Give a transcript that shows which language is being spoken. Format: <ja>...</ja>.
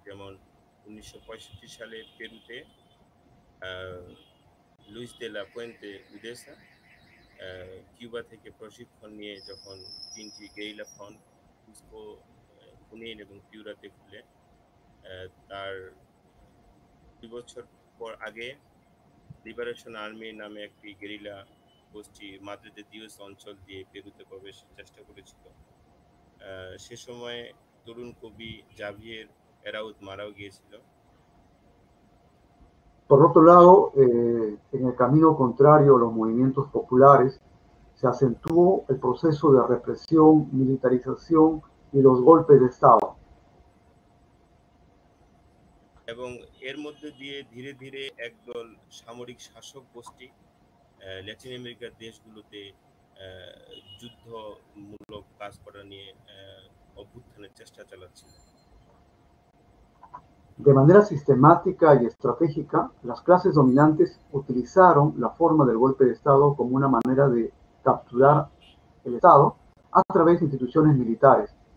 <bn>যেমন 1965 সালে পেরুতে Luis de লা পুয়েন্তে উদেসা কিউবা থেকে প্রশিক্ষণ নিয়ে যখন 3টি গেরিলা ফ্রন্ট কুসকো, হুনিন এবং পিউরাতে খুলে তার 2 বছর পর আগে লিবারেশন আর্মি নামে একটি গেরিলা গোষ্ঠী মাদ্রিদে দিওস অঞ্চল দিয়ে পেরুতে প্রবেশের চেষ্টা করেছিল। সে সময় তরুণ কবি জাভিয়ের এরাউত মারাও গিয়েছিল।</bn> <es>Por otro lado, en el camino contrario a los movimientos populares, se acentuó el proceso de represión, militarización y los golpes de Estado.</es> <bn>এবং এর মধ্যে দিয়ে ধীরে ধীরে একদল সামরিক শাসক গোষ্ঠী ল্যাটিন আমেরিকার দেশগুলোতে যুদ্ধমূলক কাজ করা নিয়ে অভ্যুত্থানের চেষ্টা চালাচ্ছিল।</bn> <es>De manera sistemática y estratégica, las clases dominantes utilizaron la forma del golpe de Estado como una manera de capturar el Estado a través de instituciones militares.</es>